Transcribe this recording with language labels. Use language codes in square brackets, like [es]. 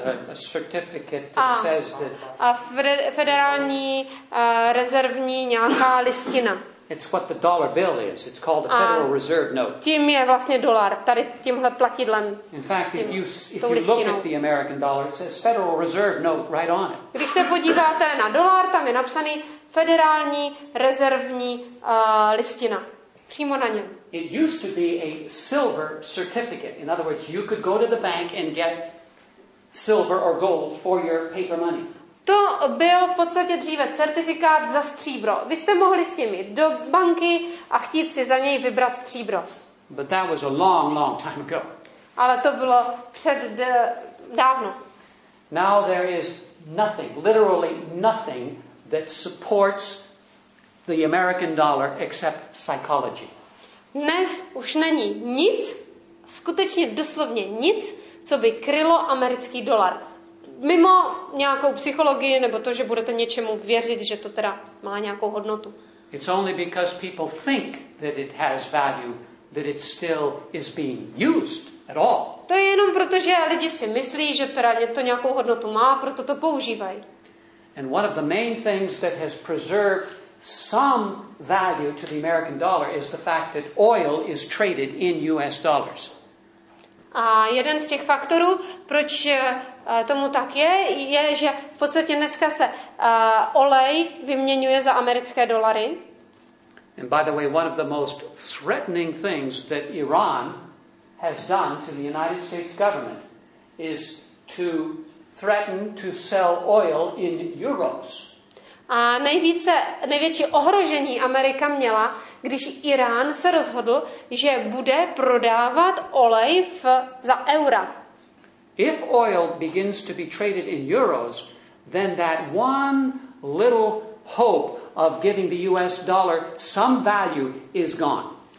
[en] A certificate that says that. [cs] A federální rezervní nějaká listina. [en] It's what the dollar bill is. It's called the Federal Reserve note. [cs] Tím je vlastně dolar, tady tímhle platidlem. [en] In fact, if you look at the American dollar, it says Federal Reserve note right on it. [cs] Když se podíváte na dolar, tam je napsaný federální rezervní listina. přímo na něm. [en] It used to be a silver certificate. In other words, you could go to the bank and get silver or gold for your paper money. [cs] To byl v podstatě dříve certifikát za stříbro. Vy jste mohli s tím jít do banky a chtít si za něj vybrat stříbro. [en] But that was a long, long time ago. [cs] Ale to bylo před dávno. [en] Now there is nothing, literally nothing that supports the American dollar except psychology. [cs] Dnes už není nic, skutečně doslovně nic, co by krylo americký dolar. Mimo nějakou psychologii nebo to, že budete něčemu věřit, že to teda má nějakou hodnotu. [en] It's only because people think that it has value that it still is being used. [cs] To je jenom proto, že lidi si myslí, že teda to nějakou hodnotu má, proto to používají. [en] And one of the main things that has preserved some value to the American dollar is the fact that oil is traded in US dollars. [cs] A jeden z těch faktorů, proč tomu tak je, je, že v podstatě dneska se olej vyměňuje za americké dolary. [en] And by the way, one of the most threatening things that Iran has done to the United States government is to threaten to sell oil in euros. [cs] A největší ohrožení Amerika měla, když Irán se rozhodl, že bude prodávat olej za eura. [en] If oil begins to be traded in euros, then that one little hope of giving the US dollar some value is gone.